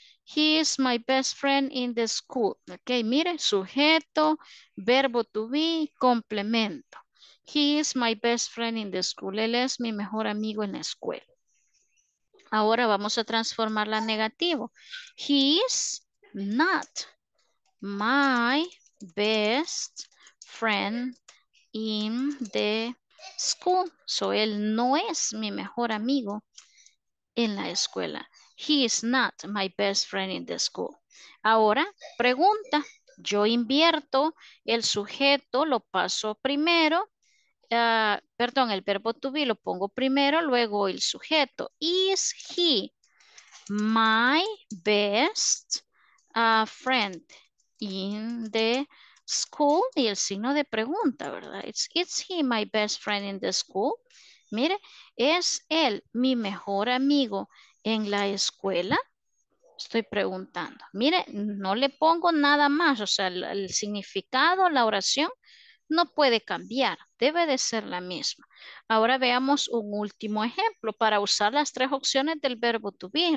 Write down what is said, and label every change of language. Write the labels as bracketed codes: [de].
[en] He is my best friend in the school. Ok, [es] mire, sujeto, verbo to be, complemento. [en] He is my best friend in the school. [es] Él es mi mejor amigo en la escuela. Ahora vamos a transformarla en negativo. [en] He is not my best friend in the school. [es] So él no es mi mejor amigo en la escuela. [en] He is not my best friend in the school. [es] Ahora, pregunta. Yo invierto el sujeto, lo paso primero. Perdón, el verbo to be lo pongo primero, luego el sujeto. [en] Is he my best friend in the school? [es] Y el signo de pregunta, ¿verdad? [en] Is he my best friend in the school? [es] Mire, ¿es él mi mejor amigo en la escuela? Estoy preguntando. Mire, no le pongo nada más, o sea, el significado, la oración no puede cambiar, debe de ser la misma. Ahora veamos un último ejemplo para usar las tres opciones del verbo to be.